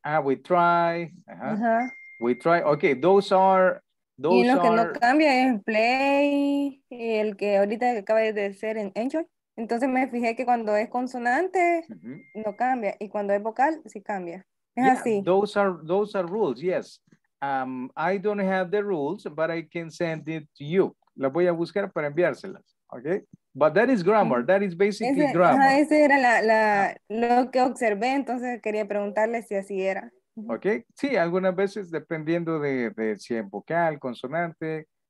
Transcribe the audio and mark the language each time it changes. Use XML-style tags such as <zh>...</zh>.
<en>We try. We try. Okay,</en> <es>Y lo que no cambia es play, el que ahorita acaba de ser en enjoy. Entonces me fijé que cuando es consonante, no cambia. Y cuando es vocal, sí cambia. Es así.</es> <en>Those are rules, yes. I don't have the rules, but I can send it to you.</en> <es>La voy a buscar para enviárselas, okay?</es> <en>But that is grammar. That is basically grammar.</en> <es>Ese era lo que observé. Entonces quería preguntarle si así era. ¿Ok? Sí, algunas veces dependiendo de si en vocal, consonante.</es>